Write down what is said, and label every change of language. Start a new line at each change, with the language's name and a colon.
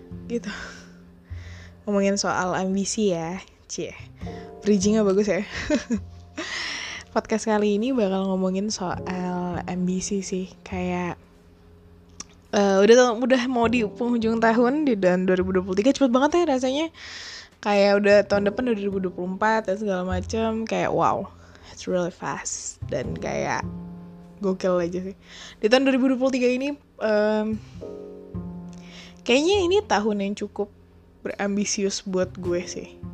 Indonesian: Gitu. Ngomongin soal ambisi ya. Cie. Bridgingnya bagus ya. Podcast kali ini bakal ngomongin soal ambisi sih. Kayak udah mau di penghujung tahun di tahun 2023. Cepet banget ya rasanya. Kayak udah tahun depan udah 2024 dan segala macem. Kayak
English: wow, it's really fast.
Indonesian: Dan kayak gokil aja sih. Di tahun 2023 ini kayaknya ini tahun yang cukup berambisius buat gue sih.